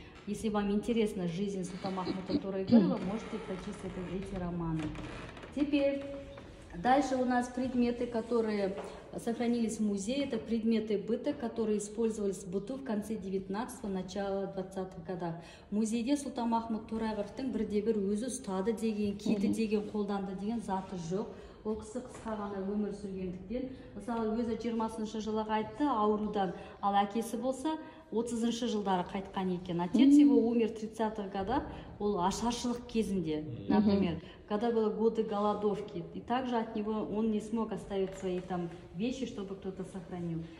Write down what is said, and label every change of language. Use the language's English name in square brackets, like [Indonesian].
[Russian] Если вам интересна жизнь Султана Махмуда Торайгырова, можете прочесть эти романы. Теперь, дальше у нас предметы, которые сохранились в музее. Это предметы быта, которые использовались в быту в конце 19-го, начало 20-х годов. В музее [Kazakh] Султана Махмуда Торайгыровтың бірде-бір өзі ұстады деген, кейді деген, қолданды деген заты жоқ. Ол кісі қысқа ғана өмір сүргендіктен. Мысалы, өзі 20-шы жылы қайтты аурудан, ал әкесі болса, 30-шы жылдары қайтқан екен. [Russian] Отец его умер 30-х года, [Kazakh] ол ашаршылық кезінде, [Russian] например, когда было годы голодовки. И также от него он не смог оставить свои там вещи, чтобы кто-то сохранил.